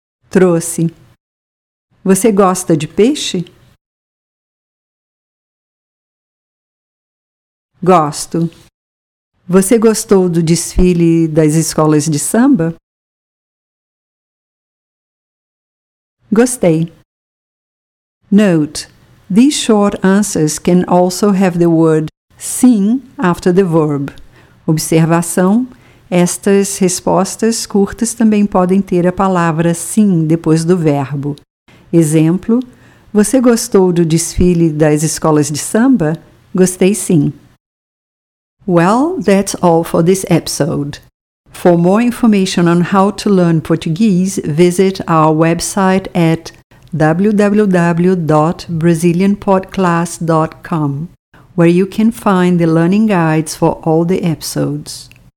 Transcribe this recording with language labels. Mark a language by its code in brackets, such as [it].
[pt] Trouxe. Você gosta de peixe? Gosto. Você gostou do desfile das escolas de samba? Gostei. [en] Note, these short answers can also have the word sim after the verb. [pt] Observação. Estas respostas curtas também podem ter a palavra sim depois do verbo. Exemplo: Você gostou do desfile das escolas de samba? Gostei sim. [en] Well, that's all for this episode. For more information on how to learn Portuguese, visit our website at www.brazilianpodclass.com, where you can find the learning guides for all the episodes.